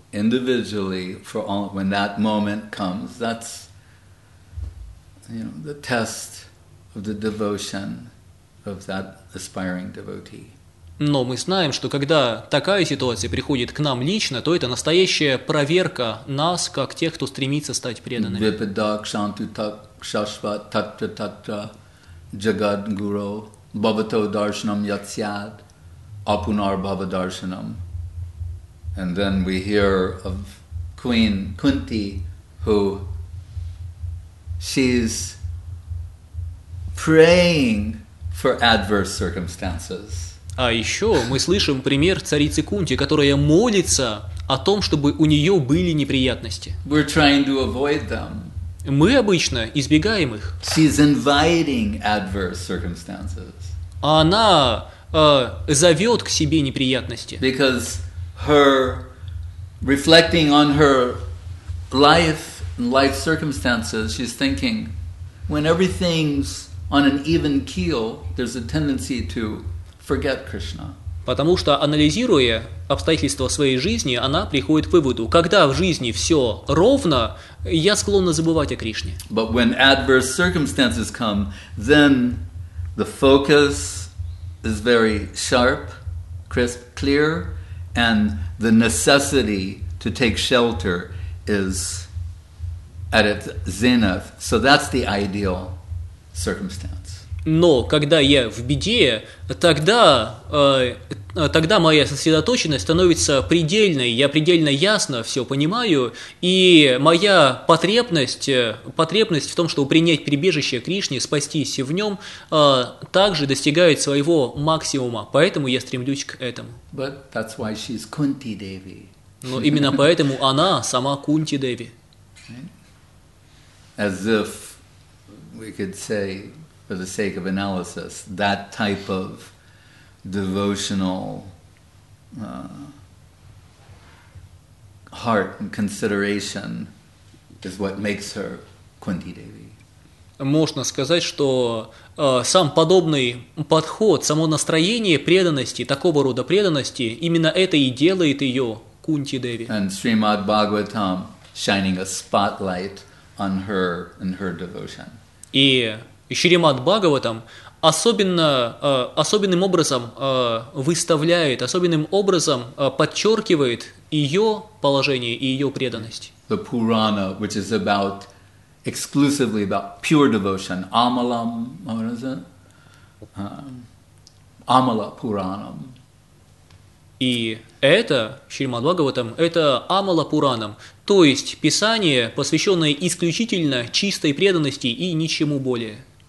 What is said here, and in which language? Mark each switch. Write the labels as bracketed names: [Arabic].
[English] Individually, for all, when that moment comes, that's the test of the devotion of that aspiring devotee. [Russian] Но мы знаем, что когда такая ситуация приходит к нам лично, то это настоящая проверка нас как тех, кто стремится стать преданными. [Sanskrit] Vipadak shantu tak shashvat tatra tatra jagad guru bhavato darshanam yatsyad apunar bhava darshanam. [English] And then we hear of Queen Kunti, who she's praying for adverse circumstances. [Russian] А еще мы слышим пример царицы Кунти, которая молится о том, чтобы у нее были неприятности. [English] We're trying to avoid them. [Russian] Мы обычно избегаем их. [English] She's inviting adverse circumstances. [Russian] Она зовет к себе неприятности. [English] Because her reflecting on her life and life circumstances, she's thinking, when everything's on an even keel, there's a tendency to forget Krishna. [Russian] Потому что анализируя обстоятельства своей жизни, она приходит к выводу, когда в жизни все ровно, я склонна забывать о Кришне. [English] But when adverse circumstances come, then the focus is very sharp, crisp, clear. And the necessity to take shelter is at its zenith. So that's the ideal circumstance. [Russian] Но когда я в беде, тогда моя сосредоточенность становится предельной. Я предельно ясно все понимаю, и моя потребность в том, чтобы принять прибежище Кришне, спастись в нем, также достигает своего максимума. Поэтому я стремлюсь к этому. [English] But that's why she's Kunti Devi. [Russian] Но именно поэтому она сама Кунти Деви. [English] As if we could say, for the sake of analysis, that type of devotional heart and consideration is what makes her Kunti Devi. [Russian] Можно сказать, что сам подобный подход, само настроение преданности, такого рода преданности, именно это и делает ее Кунти Деви. [English] And Srimad Bhagavatam shining a spotlight on her and her devotion. [Russian] И Шримад Бхагаватам особенно, особенным образом подчеркивает ее положение и ее преданность. [English] The Purana, which is about exclusively about pure devotion, Amalam, what is it? [Sanskrit] Amala Puranam. [Russian] И это, Шримад Бхагаватам, это Амала Пуранам, то есть писание, посвященное исключительно чистой преданности и ничему более.